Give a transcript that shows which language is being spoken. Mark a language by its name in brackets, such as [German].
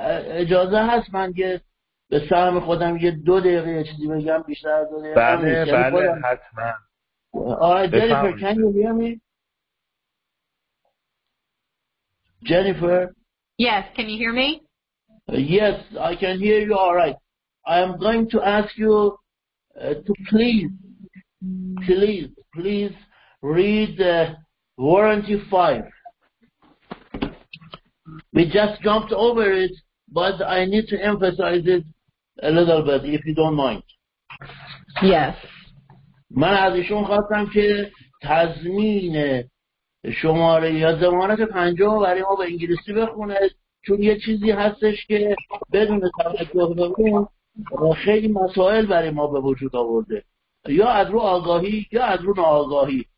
[Persian] اجازه هست من که به سهم خودم یه دو دقیقه چیزی بگم؟ بیشتر از دو دقیقه. بله بله حتما. [English] آره Jennifer can you hear me? Jennifer? Yes, can you hear me? Yes, I can hear you. All right. I am going to ask you to please read warranty 5. We just jumped over it, but I need to emphasize it a little bit, if you don't mind. Yes. [Persian] من از ایشون خواستم که تضمین شماره یا ضمانت 50 برای ما به انگلیسی بخونه، چون یه چیزی هستش که بدون توجه به اون خیلی مسائل برای ما به وجود آورده، یا از رو آگاهی یا از رو ناآگاهی.